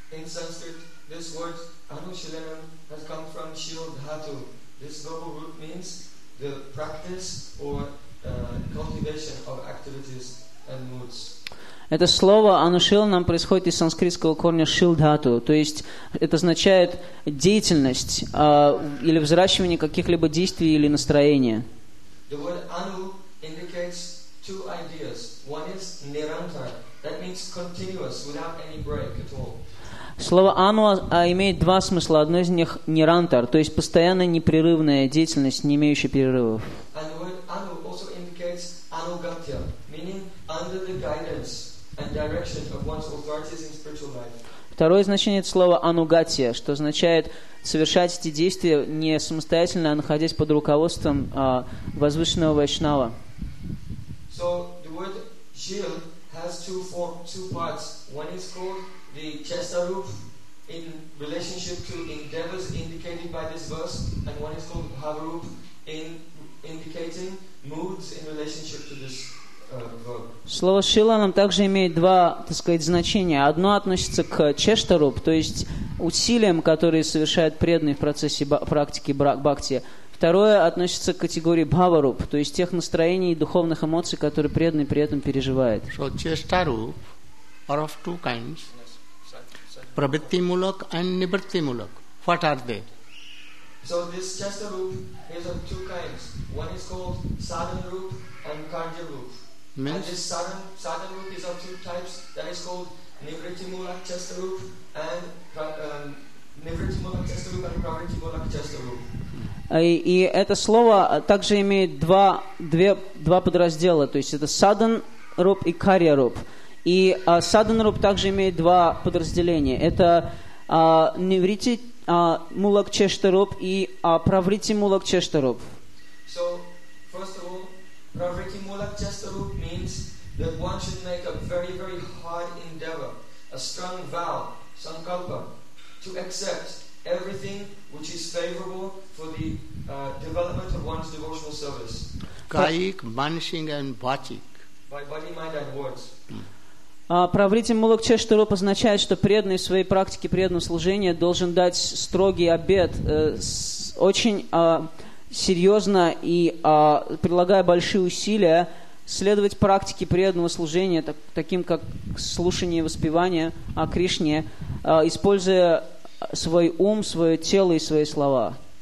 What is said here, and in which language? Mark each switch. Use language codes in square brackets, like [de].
[en] In Sanskrit, this word anushilanam has come from shirodhatu. This verbal root means the practice or cultivation of activities and moods. [ru] Это слово «анушиланам» происходит из санскритского корня «шилдхату», то есть это означает деятельность или взращивание каких-либо действий или настроения. [en] The word anu indicates two ideas. One is nirantar. That means continuous, without any break at all. [ru] Слово «ану» имеет два смысла. Одно из них – «нирантар», то есть постоянная непрерывная деятельность, не имеющая перерывов. [en] And the word «ану» also indicates «анугатья», meaning under the guidance and direction of one's authorities in spiritual life. [ru] Второе значение – это слово «анугатья», что означает совершать эти действия не самостоятельно, а находясь под руководством возвышенного вайшнава. [en] So, the word «шил» has two parts. One is called the chestarup in relationship to endeavors indicated by this verse, and one is called havarup in indicating moods in relationship to this verb. [ru] Слово шиланам также имеет два, так сказать, значения. Одно относится к чештаруп, то есть усилиям, которые совершают преданные в процессе практики бхакти. Второе относится к категории бхаваруп, то есть тех настроений и духовных эмоций, которые преданный при этом переживает. [en] So, chestaruup are of two kinds. Pravritti-mulak and nivritti-mulak. What are they? So, this chestaruup is of two kinds. One is called sadhanaruup and karjaruup. And this sadhanaruup is of two types. That is called nivritti-mulak chestaruup and nivritti-mulak chestaruup and pravritti-mulak chestaruup. [ru] И это слово также имеет два подраздела, то есть это садан руб и карья руб. И садан руб также имеет два подразделения. Это неврити мулак чешта руб и праврити мулак чешта руб. [en] So, first of all, праврити мулак чешта руб means that one should make a very, very hard endeavor, a strong vow, sankalpa, to accept everything which is favorable for the development of one's devotional service. Kayik, manishing and vachik. By body, mind and words. [ru] Pravritti mulak chashta rup означает, что преданный в своей практике преданного служения должен дать строгий обет, очень серьезно и прилагая большие усилия, следовать практике преданного служения, таким как слушание и воспевание о Кришне, используя свой ум, свое тело и свои слова.